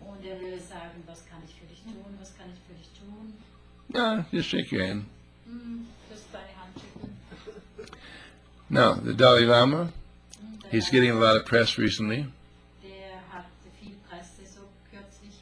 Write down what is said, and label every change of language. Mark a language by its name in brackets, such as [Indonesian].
[German] Und er würde sagen, was kann ich für dich tun? Was kann ich für dich tun? [English] Ja, just shake your hand. Just [German] deine Hand schütteln. [English] No, the Dalai Lama, he's getting a lot of press recently. [German] Der hat viel Presse so kürzlich.